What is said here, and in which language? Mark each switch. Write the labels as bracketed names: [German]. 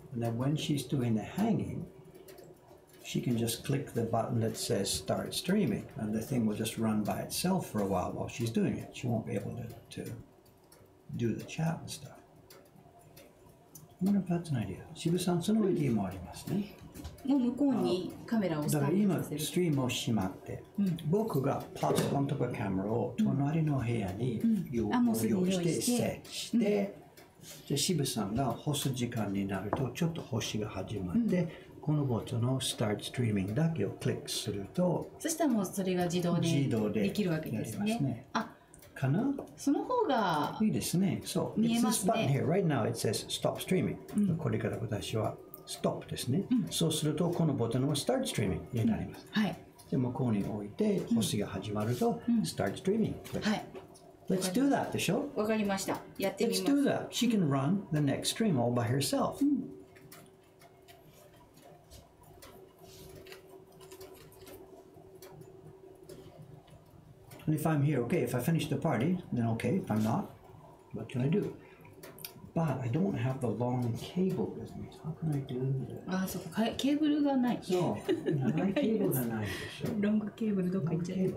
[English] And then when she's doing the hanging, she can just click the button that says start streaming. And the thing will just run by itself for a while she's doing it. She won't be able to do the chat and stuff. I wonder if that's an idea. Shiba-san, [Japanese] そのアイデアもありますね。もう向こうにカメラをスタートさせる。だから今ストリームを閉まって、うん、僕がパソコンとかカメラを隣の部屋に用意して設置して、うん、で渋さんが干す時間になるとちょっと星が始まって、うん、このボタンの Start Streaming だけをクリックすると、そしたらもうそれが自動でできるわけですね。あ、かな、その方がいいですね。そう、見えますね。 [English] It's this button here. Right now it says Stop Streaming、 [Japanese] うん、これから私は Stop ですね、うん、そうするとこのボタンは Start Streaming になります、うん、はい、で向こうに置いて星が始まると、うん、Start Streaming、うん、はい、 [English] Let's do that でしょ。 [Japanese] わかりました、やってみます。 [English] Let's do that. She can run the next stream all by herself、うん、If I'm here, okay. If I finish the party, then okay. If I'm not, what can I do? But I don't have the long cable with me. How can I do this? Ah, so cable がない。 [Japanese] そう、長いケーブルがないでしょ。ロングケーブルどこ行っちゃう？